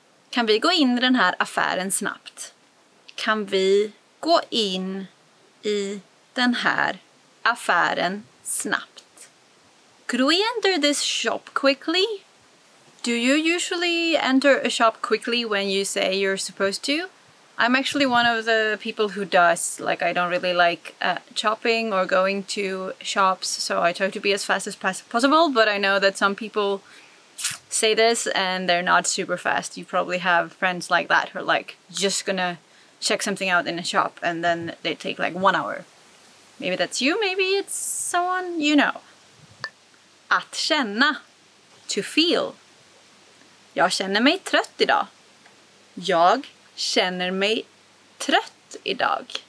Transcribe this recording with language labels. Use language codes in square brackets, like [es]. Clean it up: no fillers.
[sv] Kan vi gå in i den här affären snabbt? Kan vi gå in i den här affären snabbt? [en] Could we enter this shop quickly? Do you usually enter a shop quickly when you say you're supposed to? I'm actually one of the people who does. Like, I don't really like shopping or going to shops, so I try to be as fast as possible, but I know that some people say this and they're not super fast. You probably have friends like that who are like, just gonna check something out in a shop and then they take like 1 hour. Maybe that's you, maybe it's someone you know. [sv] Att känna. [en] To feel. [sv] Jag känner mig trött idag. Jag känner mig trött idag.